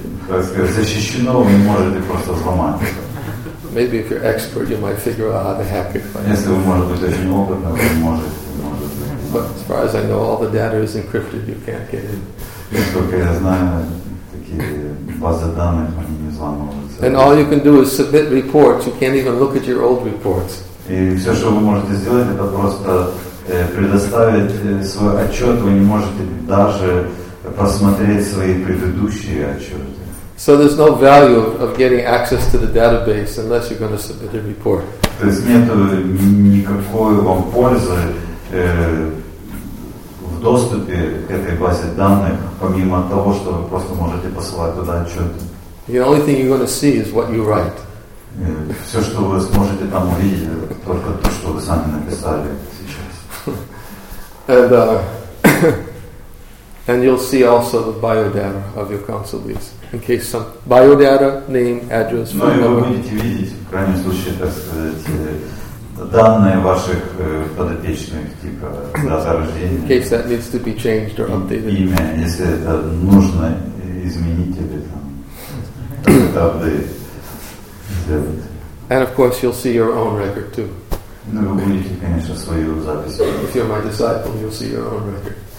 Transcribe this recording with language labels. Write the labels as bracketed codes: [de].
[ru] Защищено, вы не можете просто взломать. [en] Maybe if you're expert, you might figure out how to hack it. [ru] Если вы можете быть очень опытным, вы можете. [en] But as far as I know, all the data is encrypted. You can't get in. [ru] Насколько я знаю, такие базы данных они не взламываются. [en] And all you can do is submit reports. You can't even look at your old reports. [ru] И все, что вы можете сделать, это просто предоставить свой отчет, вы не можете даже посмотреть свои предыдущие отчеты. [en] So there's no value of getting access to the database unless you're going to submit a report. [ru] То есть нет никакой вам пользы в доступе к этой базе данных, помимо того, что вы просто можете посылать туда отчеты. [en] The only thing you're going to see is what you write. [ru] Все, что вы сможете там увидеть, только то, что вы сами написали. [en] And And you'll see also the biodata of your consulees, in case some biodata, name, address, phone number. [ru] Ну, вы будете видеть, в крайнем случае, так сказать, данные ваших подопечных, типа, дата рождения. [en] In case that needs to be changed or updated. [ru] Имя, если это нужно изменить или там, это апдейт сделать. [en] And of course, you'll see your own record too. [ru] Ну, вы будете, конечно, свою запись. [en] If you're my disciple, you'll see your own record.